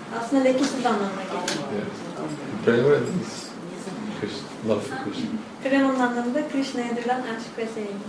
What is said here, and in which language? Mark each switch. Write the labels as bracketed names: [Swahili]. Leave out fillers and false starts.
[Turkish] Aslında lekesiz anlamına geliyor. [English] Prema means Krishna, love for Krishna. [Turkish] Prema'nın anlamı da Krishna'ya duyulan aşk ve sevgi.